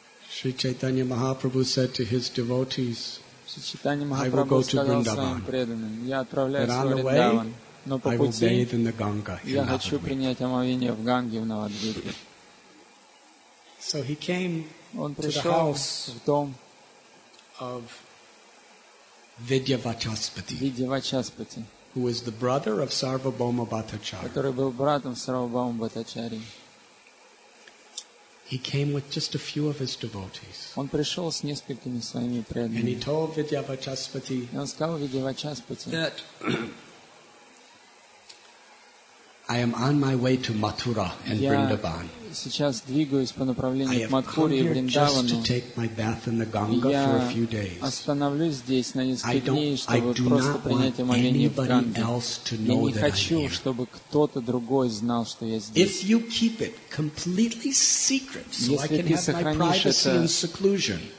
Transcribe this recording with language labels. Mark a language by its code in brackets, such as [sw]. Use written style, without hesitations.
[en] Sri Chaitanya Mahaprabhu said to his devotees, I will go to Vrindavan. But on the way, I will bathe in the Ganga. [ru] Я хочу принять омовение в Ганге в Навадвипе. [en] So he came to the house of Vidyavachaspati, who was the brother of Sarvabhauma Bhattacharya. [ru] Который был братом Сарвабхаума Бхаттачари. [en] He came with just a few of his devotees. [ru] Он пришел с несколькими своими преданными. [en] And he told Vidyavachaspati. [ru] И он сказал Vidyavachaspati. [en] That I am on my way to Mathura and Vrindavan. [ru] Я сейчас двигаюсь по направлению к Матхуре и Вриндавану. [en] I have come here just to take my bath in the Ganga for a few days. [ru] Я остановлюсь здесь на несколько дней, чтобы просто принять омовение в Ганге. Я не хочу, чтобы кто-то другой знал, что я здесь. [en] If you keep it completely secret, so I can have my privacy and seclusion,